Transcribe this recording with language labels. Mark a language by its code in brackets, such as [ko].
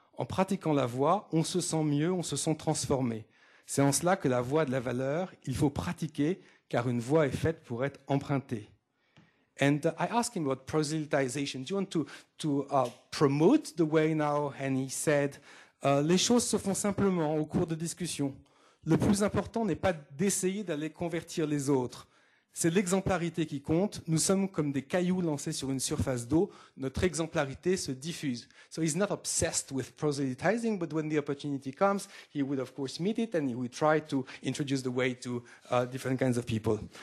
[fr] En pratiquant la voix, on se sent mieux, on se sent transformé. C'est en cela que la voie de la valeur, il faut pratiquer, car une voie est faite pour être empruntée." [en] And I asked him about proselytization. Do you want to promote the way now? And he said, [fr] les choses se font simplement au cours de discussions. Le plus important n'est pas d'essayer d'aller convertir les autres. C'est l'exemplarité qui compte. Nous sommes comme des cailloux lancés sur une surface d'eau. Notre exemplarité se diffuse. [en] So he's not obsessed with proselytizing, but when the opportunity comes, he would of course meet it and he would try to introduce the way to different kinds of people.